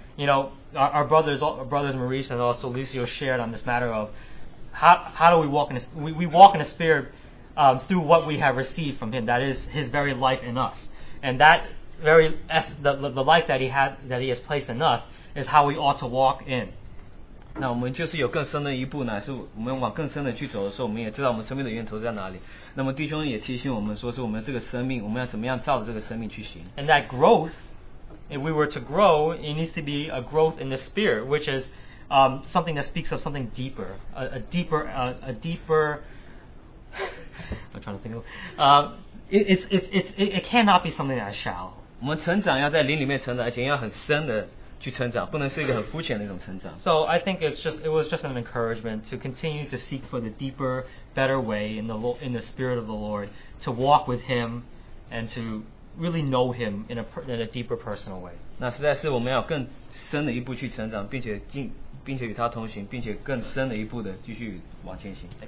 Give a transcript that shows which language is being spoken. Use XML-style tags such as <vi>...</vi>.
<en>You know, our brothers Maurice and also Lucio shared on this matter of how do we walk in a, we walk in the Spirit through what we have received from Him. That is His very life in us, and that very the life that He has, that He has placed in us, is how we ought to walk in.</en> <zh>那我们就是有更深的一步呢，是我们往更深的去走的时候，我们也知道我们生命的源头在哪里。那么弟兄也提醒我们说，是我们这个生命，我们要怎么样照着这个生命去行。</zh> <en>And that growth, if we were to grow, it needs to be a growth in the Spirit, which is something that speaks of something deeper, a deeper. I'm trying to think of. It cannot be something that is shallow.</en> <zh>我们成长要在灵里面成长，而且要很深的。去成长,</zh> <en>so I think it was just an encouragement to continue to seek for the deeper, better way in the Spirit of the Lord, to walk with Him and to really know Him in a deeper personal way.</en> <zh>那实在是我们要更深的一步去成长，并且与他同行，并且更深的一步的继续往前行。</zh>